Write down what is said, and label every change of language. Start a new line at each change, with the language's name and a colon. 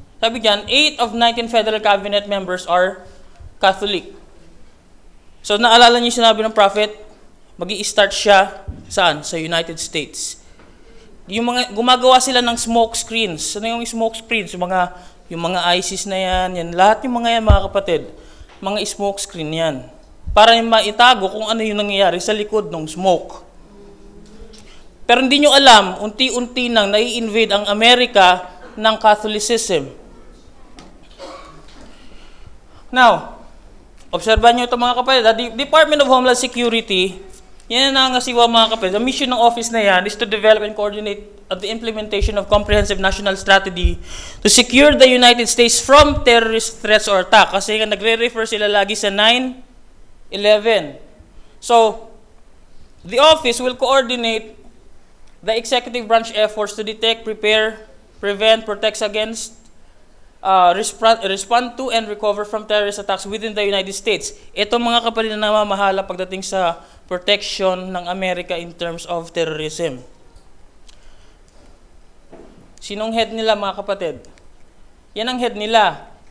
Filipino: Sabi dyan,
English: 8 of 19 federal cabinet members are Catholic.
Filipino: So, naalala niyo sinabi ng prophet, mag-i-start siya saan? Sa United States. Yung mga, gumagawa sila ng smoke screens. Ano yung smoke screens? Yung mga ISIS na yan, yan. Lahat yung mga yan mga kapatid, mga smoke screen yan. Para yung maitago kung ano yung nangyayari sa likod ng smoke. Pero hindi nyo alam, unti-unti nang nai-invade ang Amerika ng Catholicism.
English: Now, observe nyo ito mga kapatid. The Department of Homeland Security,
Filipino: yan ang nangasiwa mga kapatid.
English: The mission ng office na yan is to develop and coordinate the implementation of comprehensive national strategy to secure the United States from terrorist threats or attack.
Filipino: Kasi nagre-refer sila lagi sa 9/11.
English: So, the office will coordinate the executive branch efforts to detect, prepare, prevent, protect against, respond to, and recover from terrorist attacks within the United States.
Filipino: Ito mga kapatid na namamahala pagdating sa protection ng Amerika
English: in terms of terrorism.
Filipino: Sinong head nila mga kapatid? Yan ang head nila.